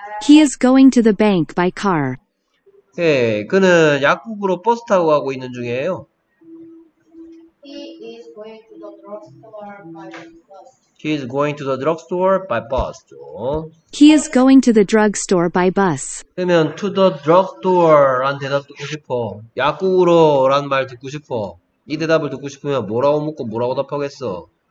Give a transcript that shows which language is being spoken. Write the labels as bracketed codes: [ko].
[en] He is going to the bank by car. [ko] 오케이. 그는 약국으로 버스 타고 가고 있는 중이에요. [en] He is going to the drugstore by bus. He is going to the drugstore by bus. He is going to the drugstore by bus. [ko] 그러면 [en] to the drugstore [ko] 란 대답 듣고 싶어. 약국으로란 말 듣고 싶어. 이 대답을 듣고 싶으면 뭐라고 묻고 뭐라고 답하겠어?